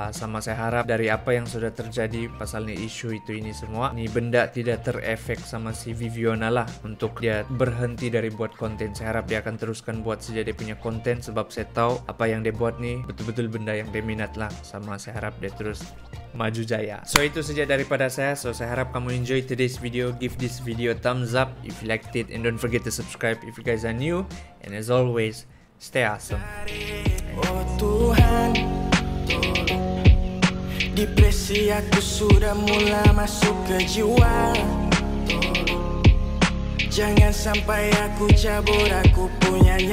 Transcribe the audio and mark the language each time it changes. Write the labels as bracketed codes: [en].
[ms] Sama saya harap dari apa yang sudah terjadi pasal ni isu itu ini semua, ni benda tidak terefek sama si Viviana lah untuk dia berhenti dari buat konten. Saya harap dia akan teruskan buat saja dia punya konten, sebab saya tahu apa yang dia buat ni betul-betul benda yang dia minat lah. Sama saya harap dia terus maju jaya. So itu saja daripada saya. So saya harap kamu [en] enjoy today's video. Give this video a thumbs up if you liked it, and don't forget to subscribe if you guys are new. And as always, stay awesome. [ms] Oh Tuhan, depresi aku sudah mulai masuk ke jiwa. Jangan sampai aku cabut aku punya nyawa.